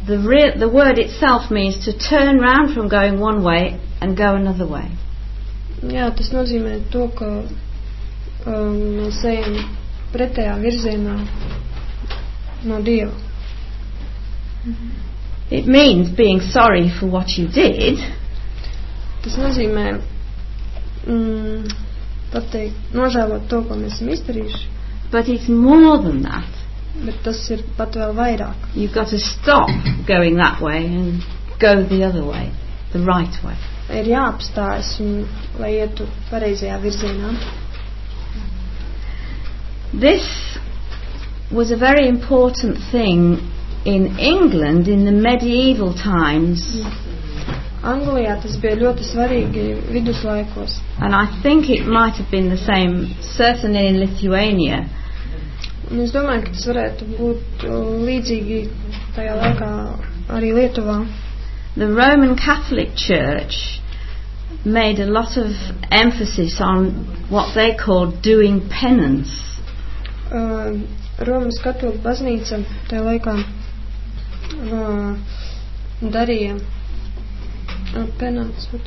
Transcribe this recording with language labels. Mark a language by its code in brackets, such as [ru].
[en] The word itself means to turn round from going one way and go another way. [lv] Jā, tas nozīmē to, ka mēs ejam pretējā virzienā no Dieva. [en] It means being sorry for what you did. [lv] Tas nozīmē pateikt, nožēlot to, ko mēs esam izdarījuši. [en] But it's more than that. [lv] Bet tas ir pat vēl vairāk. [en] You've got to stop going that way and go the other way, the right way. [lv] Ir jāapstājas un lai ietu pareizajā virzienā. [en] This was a very important thing in England in the medieval times. [lv] Anglijā tas bija ļoti svarīgi viduslaikos. [en] And I think it might have been the same certainly in Lithuania. [lv] Un es domāju, ka tas varētu būt līdzīgi tajā laikā arī Lietuvā. [en] The Roman Catholic Church made a lot of emphasis on what they called doing penance. [lv] Romas katoliku baznīca tajā laikā darīja penance.